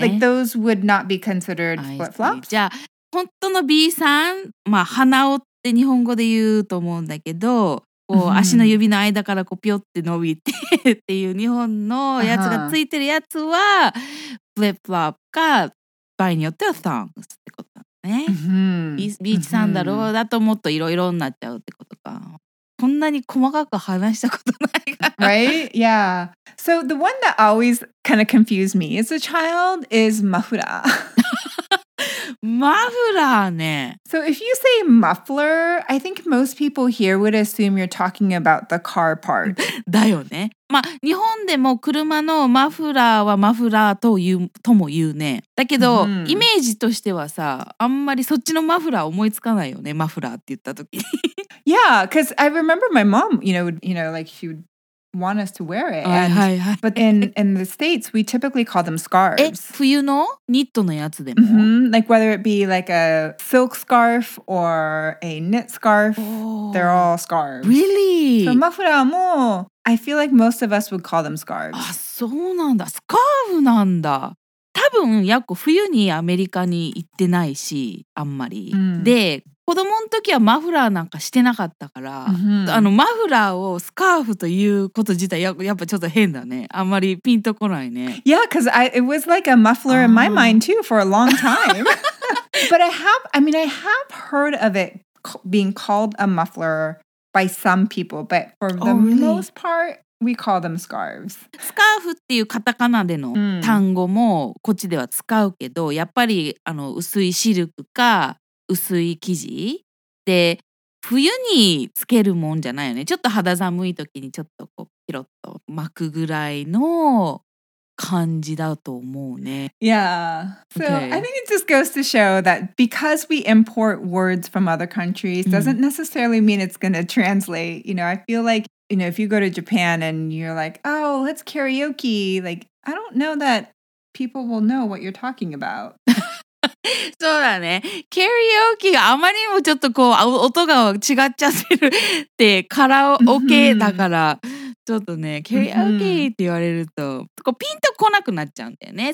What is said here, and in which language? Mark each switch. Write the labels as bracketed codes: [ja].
[en] Like those would not be considered flip-flops. [ja] じゃあ、本当の B さん、まあ、鼻緒って日本語で言うと思うんだけど、こう足の指の間からこうピョって伸びてっていう日本のやつがついてるやつは、フリップフロップか場合によってはサンクスってことだね。ビーチサンダルだともっといろいろになっちゃうってことか。こんなに細かく話したことないから。 [en] Right? Yeah. So the one that always kind of confused me as a child is マフラー。 Muffler ね。 So if you say muffler, I think most people here would assume you're talking about the car part. [ja] だよね。まあ、日本でも車のマフラーはマフラーというとも言うね。だけど、mm-hmm. イメージとしてはさ、あんまりそっちのマフラー思いつかないよね、マフラーって言った時に。 [en] Yeah, because I remember my mom, like she would want us to wear it. And, but in the States, we typically call them scarves. [ja] 冬のニットのやつでも、 [en] mm-hmm. Like whether it be like a silk scarf or a knit scarf,、oh. they're all scarves. Really? So マフラーもI feel like most of us would call them scarves. [ja] あ、そうなんだ。スカーフなんだ。多分、やっこ冬にアメリカに行ってないし、あんまり。 Mm. で、子供の時はマフラーなんかしてなかったから、 mm-hmm. あのマフラーをスカーフということ自体、やっぱちょっと変だね。あんまりピンとこないね。 [en] Yeah, because it was like a muffler in my mind too for a long time. But I have heard of it being called a muffler. By some people, but for the、 oh, really? most part, we call them scarves. [ja] スカーフっていうカタカナでの単語もこっちでは使うけど、やっぱりあの薄いシルクか薄い生地で冬につけるもんじゃないよね。ちょっと肌寒い時にちょっとこうピロッと巻くぐらいの感じだと思うね。 [en] Yeah. So、okay. I think it just goes to show that because we import words from other countries doesn't necessarily mean it's going to translate. You know, I feel like, you know, if you go to Japan and you're like, oh, let's karaoke. Like, I don't know that people will know what you're talking about. [ja] そうだね。 Karaoke があまりにもちょっとこう音が違っちゃってるってカラオケだから。ちょっとね、カラオケって言われると、mm-hmm. こうピンとこなくなっちゃうんだよね。